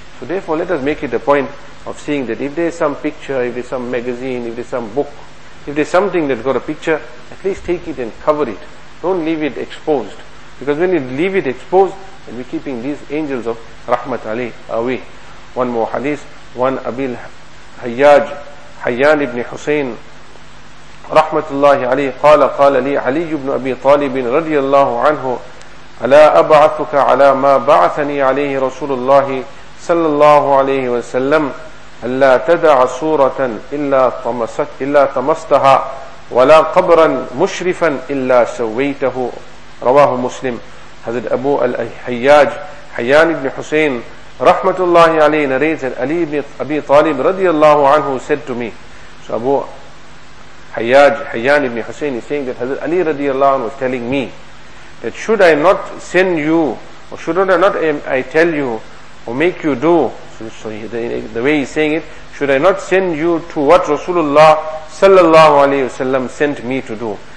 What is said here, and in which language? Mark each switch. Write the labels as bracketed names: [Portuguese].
[English] So therefore, let us make it a point of seeing that if there's some picture, if there's some magazine, if there's some book, if there's something that's got a picture, at least take it and cover it. Don't leave it exposed. Because when you leave it exposed, then we're keeping these angels of rahmat away. One more hadith, one Abil Hayyaj, [Arabic] حيان بن حسين رحمة الله عليه قال قال لي علي بن أبي طالب رضي الله عنه ألا أبعثك على ما بعثني عليه رسول الله صلى الله عليه وسلم ألا تدع صورة إلا طمستها ولا قبرا مشرفا إلا سويته رواه مسلم حضرت أبو الحياج حيان بن حسين [English] Rahmatullahi alayhi narrated, Ali ibn Abi Talib radiallahu anhu said to me. So Abu Hayyaj, Hayyan ibn Hussein is saying that Hazrat Ali radiallahu anhu was telling me that should I not send you, or should I not I tell you, or make you do, so the way he's saying it, should I not send you to what Rasulullah sallallahu alayhi wasallam sent me to do?